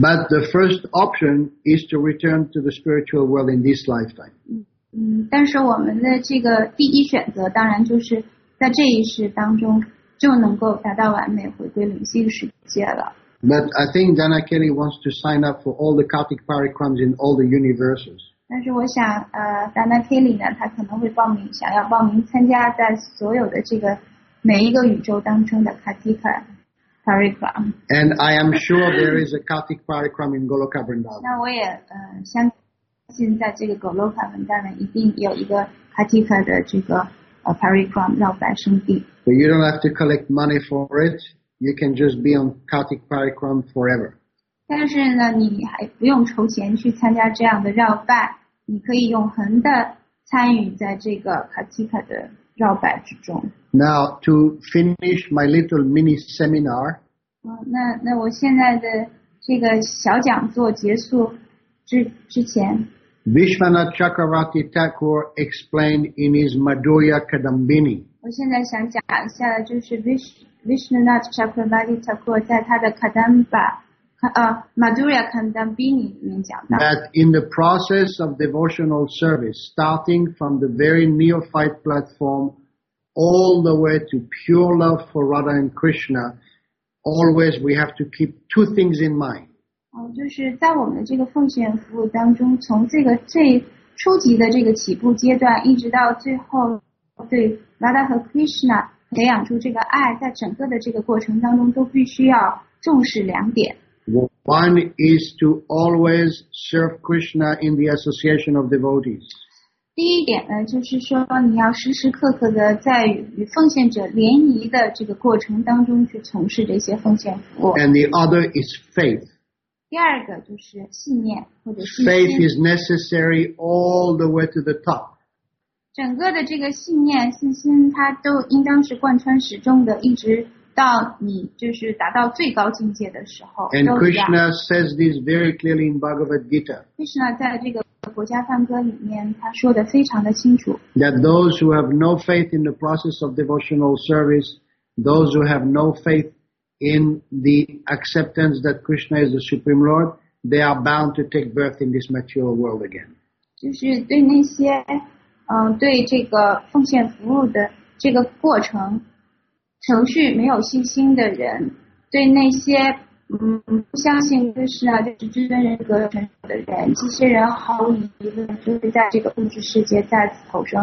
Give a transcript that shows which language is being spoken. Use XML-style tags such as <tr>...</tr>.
<en>But the first option is to return to the spiritual world in this lifetime.</en> <zh>但是我们的这个第一选择当然就是在这一世当中就能够达到完美回归灵性世界了。</zh> <en>But I think Dana Kelly wants to sign up for all the Kartik Parikrams in all the universes.</en> <zh>但是我想Dana Kelly 呢他可能会报名想要报名参加在所有的这个每一个宇宙当中的 Kartik Parikram.</zh> <en>And I am sure there is a Kartik Parikram in Goloka Vrindavan.</en> <zh>那我也相信在这个 Goloka Vrindavan 一定有一个 Kartik 的这个Parikram 绕在圣地。</zh> <en>But you don't have to collect money for it. You can just be on Kartik Parikram forever.</en> <zh>但是呢你还不用筹钱去参加这样的绕拜，你可以永恒的参与在这个 Kartika 的绕拜之中。</zh> <en>Now, to finish my little mini seminar,</en> <zh>那我现在的这个小讲座结束之前</zh> <en>Vishwanath Chakravarti Thakur explained in his Madhurya Kadambini.</en> <zh>我现在想讲一下就是 Vishwanath Chakravarti Thakur 在他的 Kadamba,Madhurya Kadambini 里面讲到</zh> <en>that in the process of devotional service, starting from the very neophyte platform, all the way to pure love for Radha and Krishna, always we have to keep two things in mind.</en> <zh>就是在我们的这个奉献服务当中，从这个最初级的这个起步阶段，一直到最后对 Radha 和 Krishna 培养出这个爱，在整个的这个过程当中，都必须要重视两点。</zh> <en>One is to always serve Krishna in the association of devotees.</en> <zh>第一点呢，就是说你要时时刻刻的在与奉献者联谊的这个过程当中去从事这些奉献服务。</zh> <en>And the other is faith.</en> <zh>第二个就是信念或者信心。</zh> <en>Faith is necessary all the way to the top.</en> <zh>整个的这个信念信心它都应当是贯穿始终的，一直到你就是达到最高境界的时候。</zh> <en>And Krishna says this very clearly in Bhagavad Gita.</en> <zh>Krishna 在这个国家梵歌里面他说的非常的清楚。</zh> <en>That those who have no faith in the process of devotional service, those who have no faith in the acceptance that Krishna is the Supreme Lord, they are bound to take birth in this material world again.</en> <zh>就是对那些对这个奉献服务的这个过程程序没有信心的人，对那些不相信就是啊，就是至尊人格成熟的人，这些人毫无疑问就是在这个物质世界再次投生。</zh>